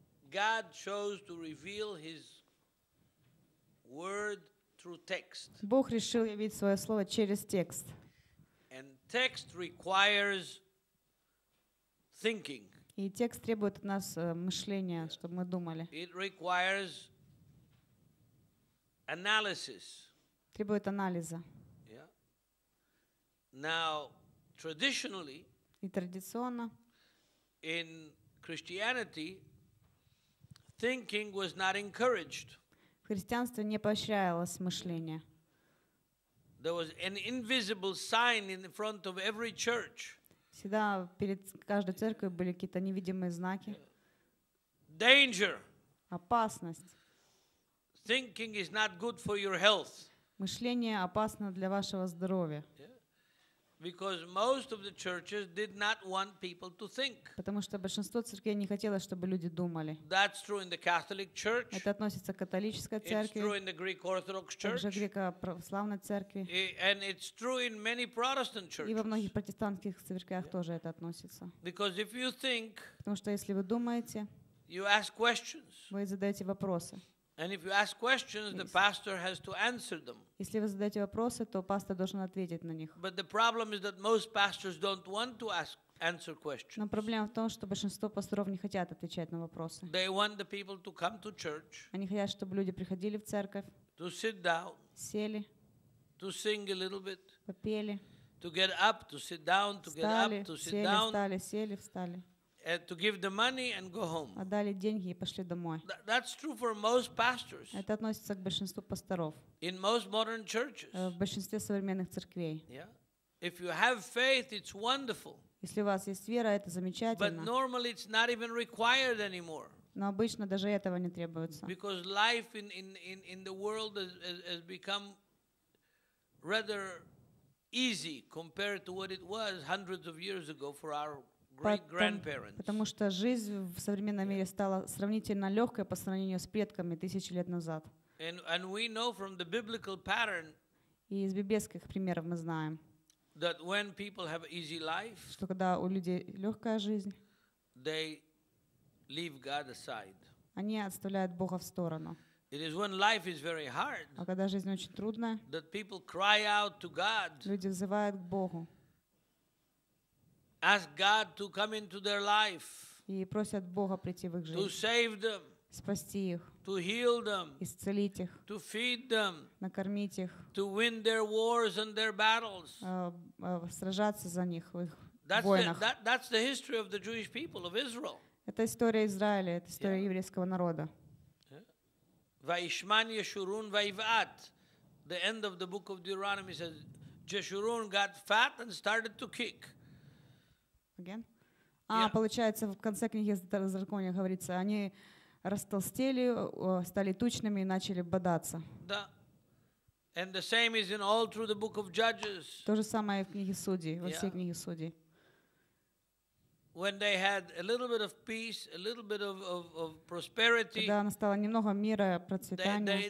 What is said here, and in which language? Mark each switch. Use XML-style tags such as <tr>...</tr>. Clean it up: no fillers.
<en>God chose to reveal His word through text.</en> <ru>Бог решил явить свое слово через текст.</ru> <en>And text requires thinking.</en> <ru>И текст требует от нас мышления, чтобы мы думали.</ru> <en>It requires analysis.</en> <ru>Требует анализа.</ru> <en>Yeah. Now, traditionally,</en> <uk>і традиційно,</uk> <en>in Christianity, thinking was not encouraged.</en> <uk>В християнстві не поощрялось мислення.</uk> <en>There was an invisible sign in front of every church.</en> <ru>Всегда перед каждой церковью были какие-то невидимые знаки.</ru> <en>Danger.</en> <ru>Опасность.</ru> <en>Thinking is not good for your health.</en> <ru>Мышление опасно для вашего здоровья.</ru> <en>Because most of the churches did not want people to think.</en> <ru>Потому что большинство церквей не хотело, чтобы люди думали.</ru> <en>That's true in the Catholic Church.</en> <ru>Это относится к католической церкви.</ru> <en>It's true in the Greek Orthodox Church.</en> <ru>Также греко-православной церкви.</ru> <en>And it's true in many Protestant churches.</en> <ru>И во многих протестантских церквях тоже это относится.</ru> <en>Because if you think,</en> <ru>потому что если вы думаете,</ru> <en>you ask questions.</en> <ru>Вы задаете вопросы.</ru> <en>And if you ask questions, the pastor has to answer them.</en> <ru>Если вы задаете вопросы, то пастор должен ответить на них.</ru> <en>But the problem is that most pastors don't want to answer questions.</en> <ru>Но проблема в том, что большинство пасторов не хотят отвечать на вопросы.</ru> <en>They want the people to come to church.</en> <ru>Они хотят, чтобы люди приходили в церковь.</ru> <en>To sit down.</en> <ru>Сели.</ru> <en>To sing a little bit.</en> <ru>Попели.</ru> <en>To get up, to sit down, to get</en> <ru>встали,</ru> <en>up, to sit</en> <ru>сели,</ru> <en>down.</en> <ru>Встали, сели, встали.</ru> <en>To give the money and go home.</en> <ru>Отдали деньги и пошли домой.</ru> <en>That's true for most pastors.</en> <ru>Это относится к большинству пасторов.</ru> <en>In most modern churches.</en> <ru>В большинстве современных церквей.</ru> <en>Yeah. If you have faith, it's wonderful.</en> <ru>Если у вас есть вера, это замечательно.</ru> <en>But normally it's not even required anymore.</en> <ru>Но обычно даже этого не требуется.</ru> <en>Because life in the world has become rather easy compared to what it was hundreds of years ago for our great-grandparents.</en> <ru>Потому что жизнь в современном мире стала сравнительно легкой по сравнению с предками тысячи лет назад.</ru> <en>And we know from the biblical pattern,</en> <ru>и из библейских примеров мы знаем,</ru> <en>that when people have easy life,</en> <ru>что когда у людей легкая жизнь,</ru> <en>they leave God aside.</en> <ru>Они отставляют Бога в сторону.</ru> <en>It is when life is very hard,</en> <ru>а когда жизнь очень трудная,</ru> <en>that people cry out to God,</en> <ru>люди взывают к Богу.</ru> <en>Ask God to come into their life.</en> <ru>И просят Бога прийти в их жизнь.</ru> <en>To save them.</en> <ru>Спасти их.</ru> <en>To heal them.</en> <ru>Исцелить их.</ru> <en>To feed them.</en> <ru>Накормить их.</ru> <en>To win their wars and their battles.</en> <ru>Сражаться за них в их войнах.</ru> <en>That's the history of the Jewish people of Israel.</en> <ru>Это история Израиля, это история еврейского народа.</ru> <he>Vayishman Yeshurun Vayivat.</he> <en>The end of the book of Deuteronomy says Yeshurun got fat and started to kick.</en> <ru>Получается, в конце книги Второзакония говорится, они растолстели, стали тучными и начали бодаться.</ru> <en>And the same is in all through the book of Judges.</en> <ru>То же самое в книге Судей, во всей книге Судей.</ru> <en>When they had a little bit of peace, a little bit of prosperity.</en> <ru>Когда настало немного мира, процветания.</ru>